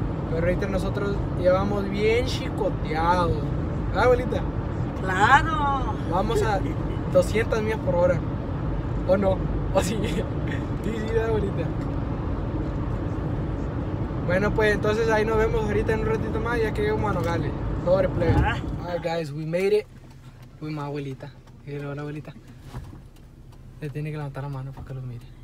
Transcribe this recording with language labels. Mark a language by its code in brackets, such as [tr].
[es] Pero ahorita nosotros llevamos bien chicoteados. ¿Ah, abuelita? claro. Vamos a 200 millas por hora. ¿O no? ¿O sí? Sí, abuelita. Bueno, pues entonces ahí nos vemos ahorita en un ratito más, ya que llegamos a Nogales. Pobre plebe. [en] Alright, guys, we made it with my abuelita. [es] Y luego la abuelita le tiene que levantar la mano para que lo mire.